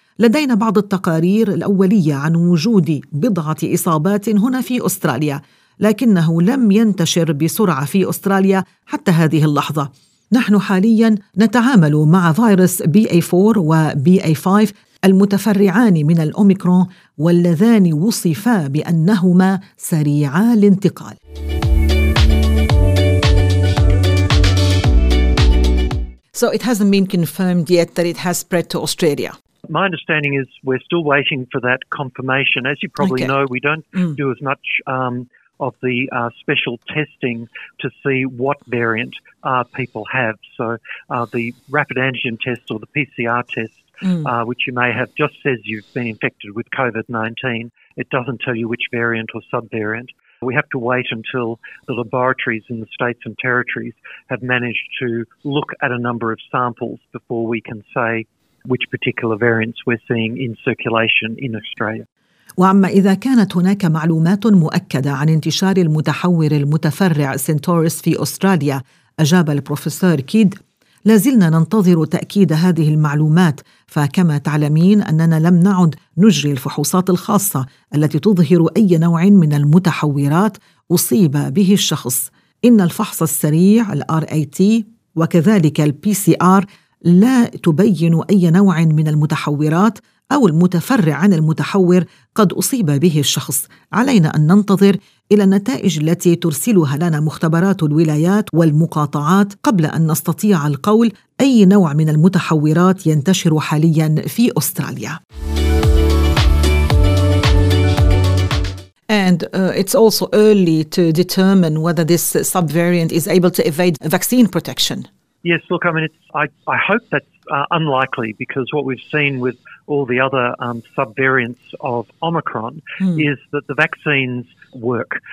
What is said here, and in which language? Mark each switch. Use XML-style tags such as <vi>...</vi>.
<ar>لدينا بعض التقارير الأولية عن وجود بضعة إصابات هنا في أستراليا، لكنه لم ينتشر بسرعة في أستراليا حتى هذه اللحظة. نحن حالياً نتعامل مع فيروس BA4 وBA5 المتفرعان من الأوميكرون واللذان وصفا بأنهما سريعا الانتقال.</ar> <en>So it hasn't been confirmed yet that it has spread to Australia. My understanding is we're still waiting for that confirmation. As you probably know, we don't do as much of the special testing to see what variant people have. So the rapid antigen test or the PCR test, which you may have, just says you've been infected with COVID-19. It doesn't tell you which variant or subvariant. We have to wait until the laboratories in the states and territories have managed to look at a number of samples before we can say which particular variants we're seeing in circulation in Australia.</en> <ar>وعما إذا كانت هناك معلومات مؤكدة عن انتشار المتحور المتفرع سنتورس في أستراليا، أجاب البروفيسور كيد: لازلنا ننتظر تأكيد هذه المعلومات، فكما تعلمين أننا لم نعد نجري الفحوصات الخاصة التي تظهر أي نوع من المتحورات أصيب به الشخص. إن الفحص السريع الRAT وكذلك الPCR لا تبين أي نوع من المتحورات أو المتفرع عن المتحور قد أصيب به الشخص. علينا أن ننتظر إلى النتائج التي ترسلها لنا مختبرات الولايات والمقاطعات قبل أن نستطيع القول أي نوع من المتحورات ينتشر حالياً في أستراليا.</ar> <en>And it's also early to determine whether this subvariant is able to evade vaccine protection. Yes, look, I mean, I hope that's unlikely, because what we've seen with all the other subvariants of Omicron is that the vaccines work.</en>